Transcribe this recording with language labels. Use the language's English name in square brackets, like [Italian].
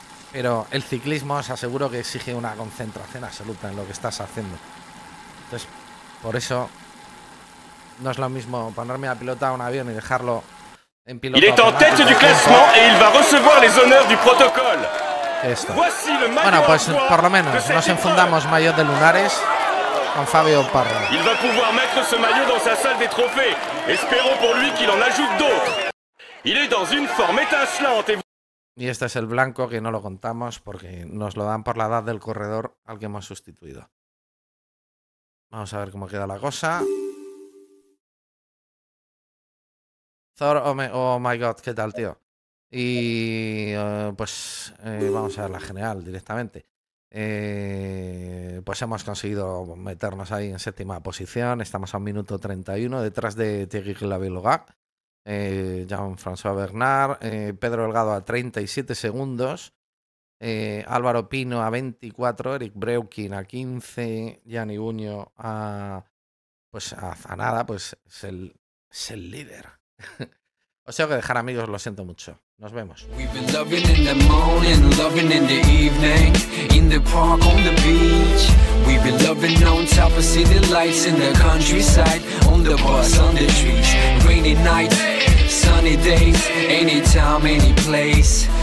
[Spanish] Pero el ciclismo, os aseguro que exige una concentración absoluta en lo que estás haciendo. Entonces, por eso, no es lo mismo ponerme a pilotar un avión y dejarlo en piloto. [French] Il est en tête du classement et il va recevoir les honneurs du protocole. [Spanish] Esto. Bueno, pues por lo menos nos enfundamos maillot de lunares. Fabio Parra. [French] Il va pouvoir mettre ce maillot dans sa salle des trophées. Espérons pour lui qu'il en ajoute d'autres. Il est dans une forme étincelante. [Spanish] Y este es el blanco que no lo contamos porque nos lo dan por la edad del corredor al que hemos sustituido. Vamos a ver cómo queda la cosa. Thor, [English] oh my god, [Spanish] ¿qué tal, tío? Y pues vamos a ver la general directamente. Pues hemos conseguido meternos ahí en séptima posición. Estamos a 1:31 detrás de Thierry Gilabert-Logat, Jean-François Bernard, Pedro Delgado a 37 segundos, Álvaro Pino a 24, Eric Breukin a 15, Gianni Buño a, pues a nada, pues es el líder. Os tengo que dejar, amigos, lo siento mucho. Nos vemos. [English] We've been loving in the morning, loving in the evening, in the park, on the beach. We've been loving on top of city lights, in the countryside, on the bus, on the trees. Rainy nights, sunny days, anytime, any place.